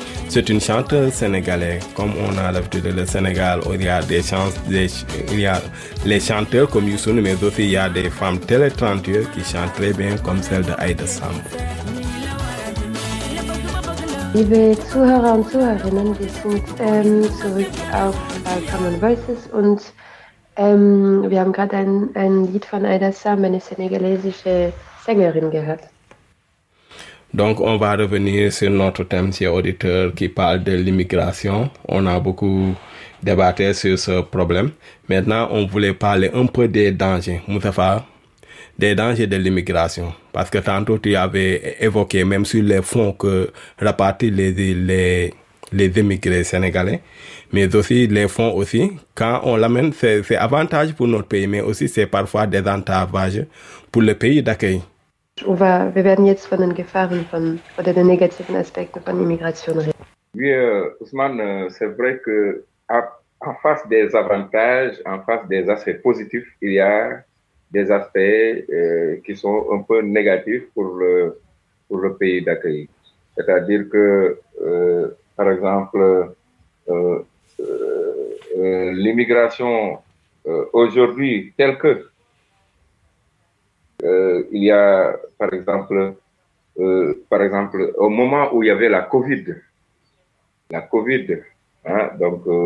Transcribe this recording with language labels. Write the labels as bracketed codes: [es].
[fr] C'est une chanteuse sénégalaise. Comme on a l'habitude, le Sénégal, il y a les chanteurs comme Youssou, mais aussi il y a des femmes très talentueuses qui chantent très bien, comme celle de Aïda Femme. Il y a des auditeurs qui sont sur Common Voices. [de] Und wir haben gerade ein Lied von Aïda Femme, eine sénégalaisische Sängerin, gehört. [fr] Donc, on va revenir sur notre thème, chers auditeurs, qui parle de l'immigration. On a beaucoup débattu sur ce problème. Maintenant, on voulait parler un peu des dangers, Moustapha, des dangers de l'immigration. Parce que tantôt, tu avais évoqué, même sur les fonds que rapportent les immigrés sénégalais, mais aussi les fonds aussi, quand on l'amène, c'est avantage pour notre pays, mais aussi c'est parfois désavantage pour le pays d'accueil. [de] Wir werden jetzt von den Gefahren oder den negativen Aspekten von Immigration reden. [fr] Oui, Ousmane, c'est vrai qu'en face des avantages, en face des aspects positifs, il y a des aspects qui sont un peu négatifs pour le pays d'accueil. C'est-à-dire que par exemple, l'immigration aujourd'hui telle que il y a par exemple au moment où il y avait la COVID, hein, donc